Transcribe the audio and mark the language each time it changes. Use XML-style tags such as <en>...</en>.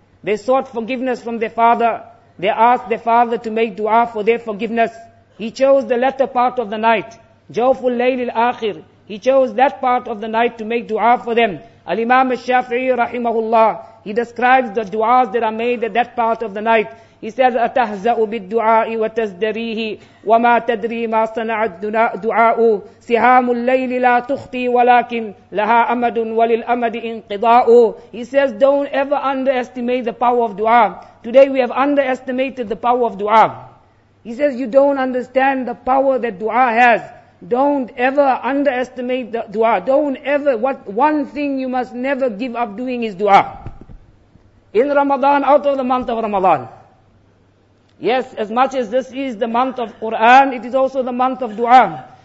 <en>They sought forgiveness from their father. They asked their father to make dua for their forgiveness. He chose the latter part of the night,</en> <ar>Jawful layl al-akhir.</ar> <en>He chose that part of the night to make dua for them. Al-Imam al-Shafi'i rahimahullah, he describes the duas that are made at that part of the night. He says,</en> <ar>أَتَهْزَأُ بِالدُّعَاءِ وَتَزْدَرِيهِ وَمَا تَدْرِي مَا صَنَعَتْ دُعَاءُ سِهَامُ اللَّيْلِ لَا تُخْطِي وَلَكِنْ لَهَا أَمَدٌ وَلِلْأَمَدِ إِنْقِضَاءُ</ar> <en>He says, don't ever underestimate the power of dua. Today we have underestimated the power of dua. He says, you don't understand the power that dua has. Don't ever underestimate the dua. Don't ever, what one thing you must never give up doing is dua. in Ramadan, out of the month of Ramadan. Yes, as much as this is the month of Quran, it is also the month of dua.</en>